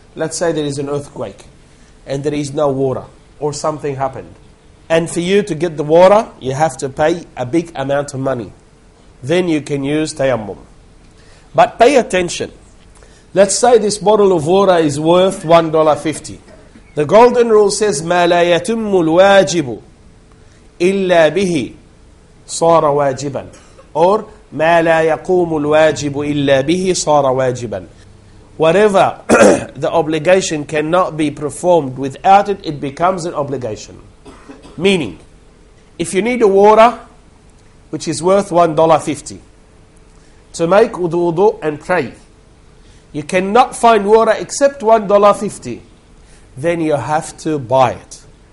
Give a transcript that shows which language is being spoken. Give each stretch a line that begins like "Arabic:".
English: Let's say there is an earthquake and there is no water or something happened. And for you to get the water, you have to pay a big amount of money. Then you can use tayammum. But pay attention. Let's say this bottle of water is worth $1.50. The golden rule says,
Arabic: مَا لَا يَتُمُّ الْوَاجِبُ إِلَّا بِهِ صَارَ وَاجِبًا. Or, مَا لَا يَقُومُ الْوَاجِبُ إِلَّا بِهِ صَارَ وَاجِبًا.
English: Whatever the obligation cannot be performed without it, it becomes an obligation. Meaning, if you need a water which is worth $1.50 to make wudu and pray, you cannot find water except $1.50, then you have to buy it.